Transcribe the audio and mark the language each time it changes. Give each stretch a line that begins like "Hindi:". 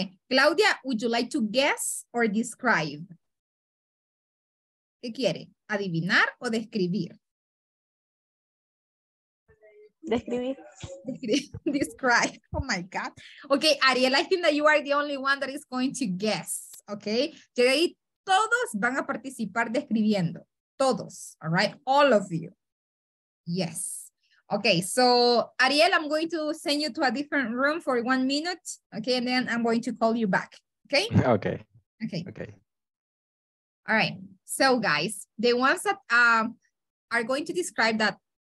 English: Claudia, would you like to guess or describe?
Spanish: ¿Qué quiere? ¿Adivinar o describir?
English: Describe. Oh my God. Okay, Ariel, I think that you are the only one that is going to guess. Okay.
Spanish: Que de ahí todos van a participar describiendo. Todos.
English: All right. All of you. Yes. Okay. So, Ariel, I'm going to send you to a different room for 1 minute. Okay. And then I'm going to call you back. Okay. Okay. Okay. Okay. All right. So, guys, the ones that are going to describe that.